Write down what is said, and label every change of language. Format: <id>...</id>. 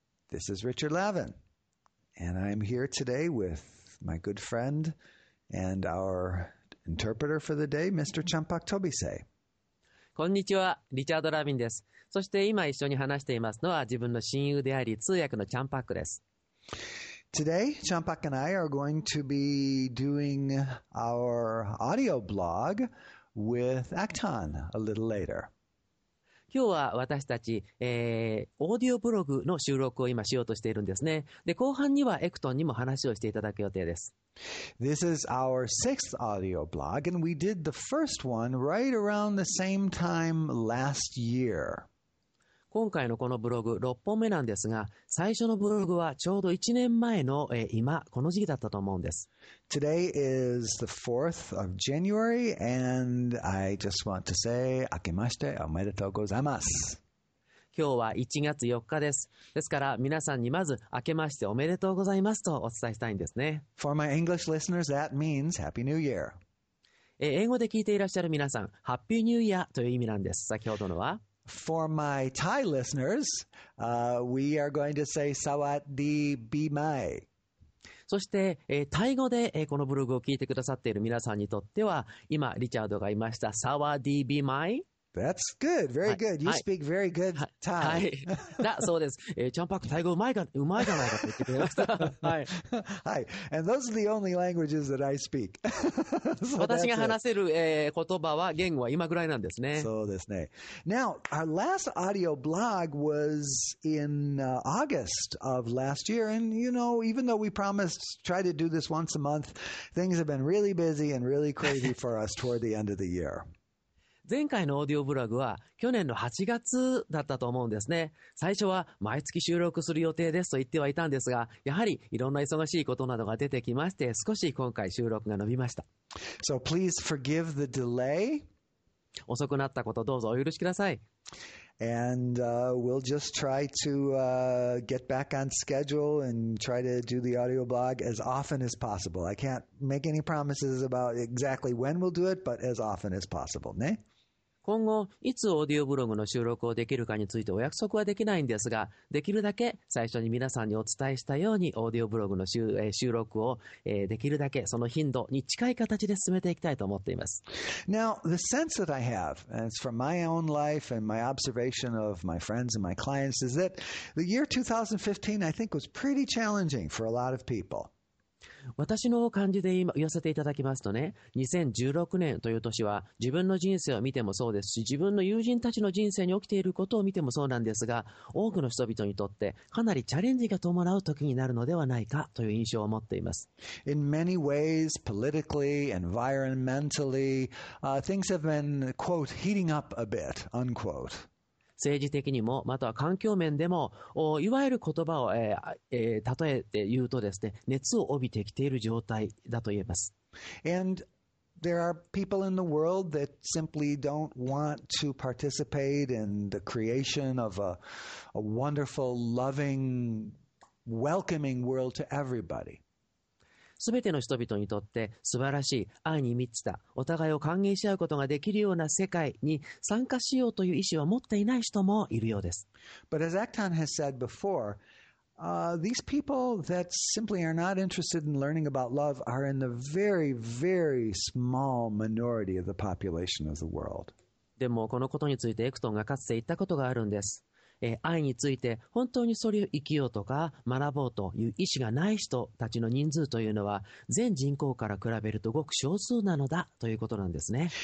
<en>This is Richard Lavin, and I'm here today with my good friend and our interpreter for the day, Mr. Champak Tobise.</en> <ja>Konnichiwa, Richard Lavin desu. そして今一緒に話していますのは自分の親友であり通訳のチャンパックです。</ja> <en>Today, Champak and I are going to be doing our audio blog with Acton a little later.</en> <ja>今日は私たち、オーディオブログの収録を今しようとしているんですね。で、後半にはエクトンにも話をしていただく予定です。</ja> <en>This is our sixth audio blog, and we did the first one right around the same time last year.</en> <ja>今回のこのブログ、6本目なんですが、最初のブログはちょうど1年前の、今、この時期だったと思うんです。</ja> <en>Today is the 4th of January, and I just want to say,</en> <ja>明けましておめでとうございます。今日は1月4日です。ですから皆さんにまず明けましておめでとうございますとお伝えしたいんですね。</ja> <en>For my English listeners, that means Happy New Year.</en> <ja>英語で聞いていらっしゃる皆さん、</ja> <en>Happy New Year</en> <ja>という意味なんです。先ほどのは。</ja> <en>For my Thai listeners, we are going to say</en> <th>Sawasdee Bimai.</th> <ja>そして、タイ語で、このブログを聞いてくださっている皆さんにとっては、今、リチャードがいました。</ja> <th>Sawasdee Bimai?</th> <en>That's good. Very good. You speak very good Thai.</en> <ja>はい。そうです。チャンパック、タイ語うまいじゃないかと言ってくれました。はい。はい。</ja> <en>And those are the only languages that I speak.</en> <ja>私が話せる、言葉は、言語は今ぐらいなんですね。そうですね。</ja> <en>Now, our last audio blog was in August of last year. And, you know, even though we promised to try to do this once a month, things have been really busy and really crazy for us toward the end of the year.</en> <ja>前回のオーディオブログは去年の8月だったと思うんですね。最初は毎月収録する予定ですと言ってはいたんですが、やはりいろんな忙しいことなどが出てきまして、少し今回収録が伸びました。</ja> <en>So please forgive the delay.</en> <ja>遅くなったことどうぞお許しください。</ja> <en>And, we'll just try to, get back on schedule and try to do the audio blog as often as possible. I can't make any promises about exactly when we'll do it, but as often as possible, ね。</en> <ja>今後、いつオーディオブログの収録をできるかについてお約束はできないんですが、できるだけ最初に皆さんにお伝えしたように、オーディオブログの収録を、できるだけその頻度に近い形で進めていきたいと思っています。</ja> <en>Now, the sense that I have, and it's from my own life and my observation of my friends and my clients, is that the year 2015, I think, was pretty challenging for a lot of people.</en> <ja>私の感じで言わせていただきますとね、2016年という年は自分の人生を見てもそうですし、自分の友人たちの人生に起きていることを見てもそうなんですが、多くの人々にとってかなりチャレンジが伴う時になるのではないかという印象を持っています。</ja> <en>In many ways, politically, environmentally, things have been, quote, heating up a bit, unquote.</en> <ja>政治的にも、または環境面でも、いわゆる言葉を、例えて言うとですね、熱を帯びてきている状態だと言えます。</ja> <en>And there are people in the world that simply don't want to participate in the creation of a wonderful, loving, welcoming world to everybody.</en> <ja>すべての人々にとって素晴らしい愛に満ちたお互いを歓迎し合うことができるような世界に参加しようという意思は持っていない人もいるようです。</ja> <en>But as Acton has said before, these people that simply are not interested in learning about love are in the very, very small minority of the population of the world.</en> <ja>でもこのことについてエクトンがかつて言ったことがあるんです。愛について本当にそれを生きようとか学ぼうという意思がない人たちの人数というのは全人口から比べるとごく少数なのだということなんですね。</ja>